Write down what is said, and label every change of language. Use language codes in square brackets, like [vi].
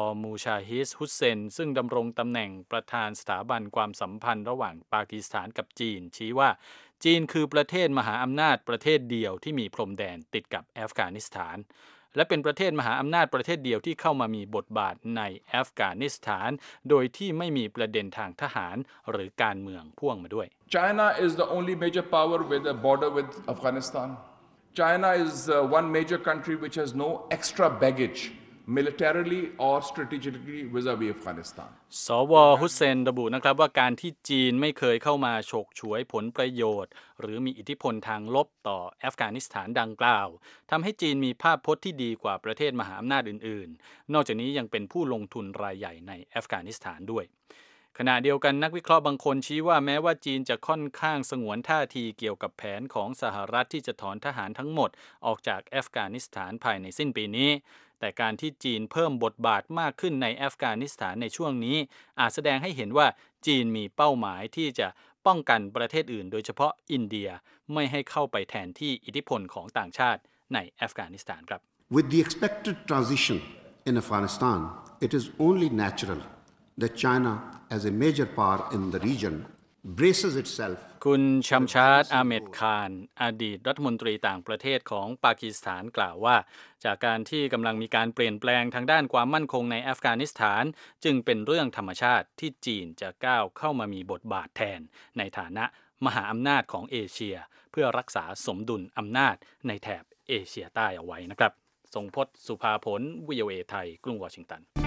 [th] มูชาฮิสฮุเซนซึ่งดำรงตำแหน่งประธานสถาบันความสัมพันธ์ระหว่างปากีสถานกับจีนชี้ว่าจีนคือประเทศมหาอำนาจประเทศเดียวที่มีพรมแดนติดกับอัฟกานิสถานและเป็นประเทศมหาอำนาจประเทศเดียวที่เข้ามามีบทบาทในอัฟกานิสถานโดยที่ไม่มีประเด็นทางทหารหรือการเมืองพ่วงมาด้วย [en] China is the only major power with a border with Afghanistan. China is one major country which has no extra baggage militarily or strategically vis-à-vis Afghanistan. สว. [th] ฮุเซนระบุนะครับว่าการที่จีนไม่เคยเข้ามาฉกฉวยผลประโยชน์หรือมีอิทธิพลทางลบต่ออัฟกานิสถานดังกล่าวทำให้จีนมีภาพพจน์ที่ดีกว่าประเทศมหาอำนาจอื่นๆนอกจากนี้ยังเป็นผู้ลงทุนรายใหญ่ในอัฟกานิสถานด้วย ขณะเดียวกันนักวิเคราะห์บางคนชี้ว่าแม้ว่าจีนจะค่อนข้างสงวนท่าทีเกี่ยวกับแผนของสหรัฐที่จะถอนทหารทั้งหมดออกจากอัฟกานิสถานภายในสิ้นปีนี้แต่การที่จีนเพิ่มบทบาทมากขึ้นในอัฟกานิสถานในช่วงนี้อาจแสดงให้เห็นว่าจีนมีเป้าหมายที่จะป้องกันประเทศอื่นโดยเฉพาะอินเดียไม่ให้เข้าไปแทนที่อิทธิพลของต่างชาติในอัฟกานิสถานครับ [en] With the expected transition in Afghanistan it is only natural that China as a major power in the region braces itself [th] คุณชัมชาดอาเมดคานอดีตรัฐมนตรีต่างประเทศของปากีสถานกล่าวว่าจากการที่กำลังมีการเปลี่ยนแปลงทางด้านความมั่นคงในอัฟกานิสถานจึงเป็นเรื่องธรรมชาติที่จีนจะก้าวเข้ามามีบทบาทแทนในฐานะมหาอำนาจของเอเชียเพื่อรักษาสมดุลอำนาจในแถบเอเชียใต้เอาไว้นะครับทรงพจน์สุภาผล VOA ไทยกรุงวอชิงตัน